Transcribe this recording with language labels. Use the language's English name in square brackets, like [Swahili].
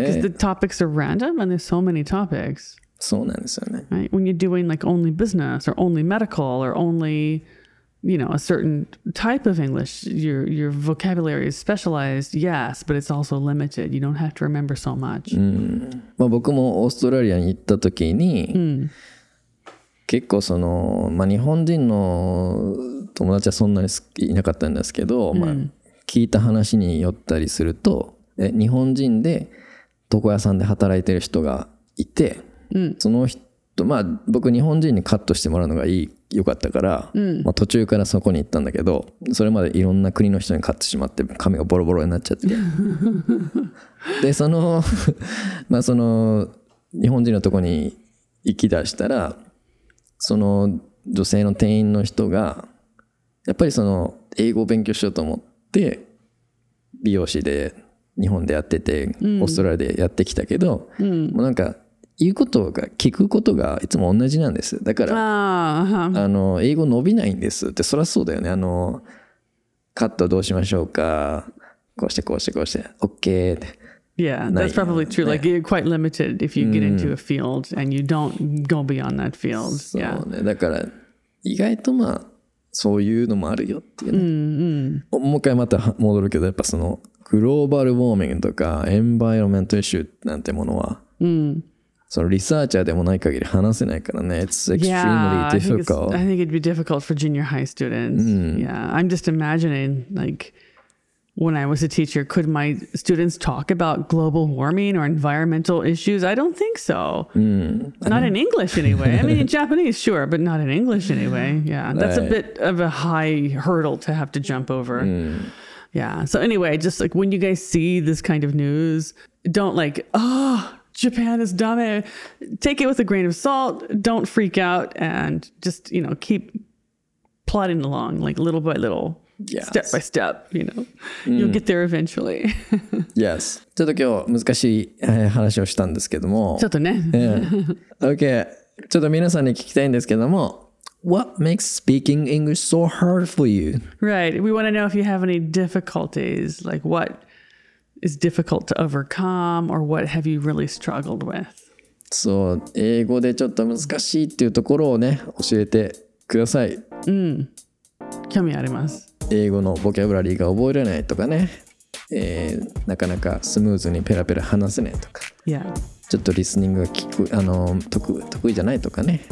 [English] Because the topics are random and there's so many topics. [Japanese] そうなんですよね。 [English] Right? When you're doing like only business or only medical or only, you know, a certain type of English, your vocabulary is specialized, yes, but it's also limited. You don't have to remember so much. [Japanese] うん。まあ、僕もオーストラリアに行った時に、うん、結構その、まあ、日本人の友達はそんなにいなかったんですけど、うん、まあ、聞いた話によったりすると、え、日本人で床屋さんで働いてる人がいて、うん、その人、まあ僕日本人にカットしてもらうのがいい、よかったから、うん、まあ、途中からそこに行ったんだけど、それまでいろんな国の人にカットしまって髪がボロボロになっちゃってでそのまあその日本人のとこに行きだしたら、その女性の店員の人がやっぱりその英語を勉強しようと思って美容師で日本でやってて、うん、オーストラリアでやってきたけど、うん、もうなんか言うことが聞くことがいつも同じなんです。だから あの英語伸びないんですって。そりゃそうだよね。あのカットどうしましょうか、こうしてこうしてこうして OK って。 [English] Yeah, that's probably true、ね、like you're quite limited if you get into a field and you don't go beyond that field、 [Japanese] そうね、 [English] yeah. [Japanese] だから意外とまあそういうのもあるよっていう、ね、 mm-hmm. もう一回また戻るけど、やっぱそのグローバルウォーミングとかエンバイロメントイシューなんてものは、 mm-hmm. そのリサーチャーでもない限り話せないからね。 [English] It's extremely difficult. I think it'd be difficult for junior high students.、 [Japanese] うん、 [English] yeah, I'm just imagining like when I was a teacher, could my students talk about global warming or environmental issues? I don't think so.、 [Japanese] うん、 [English] not in English anyway. I mean, in Japanese, sure, but not in English anyway. Yeah, that's a bit of a high hurdle to have to jump over.、 [Japanese] うん、 [English] yeah, so anyway, just like when you guys see this kind of news, don't like, oh... Japan is dame. Take it with a grain of salt. Don't freak out and just, you know, keep plodding along, like little by little,、 yes. step by step, you know.、Mm. You'll get there eventually. yes. [Japanese] ちょっと今日難しい話をしたんですけども。ちょっとね。 [English] Yeah. Okay. [Japanese] ちょっと皆さんに聞きたいんですけども。 [English] What makes speaking English so hard for you? Right. We want to know if you have any difficulties, like what... is difficult to overcome or what have you really struggled with? [Japanese] そう、英語でちょっと難しいっていうところをね、教えてください。うん。興味あります。英語のボキャブラリーが覚えられないとかね、なかなかスムーズにペラペラ話せないとか。 [English] Yeah. [Japanese] ちょっとリスニングが聞く、得意じゃないとかね。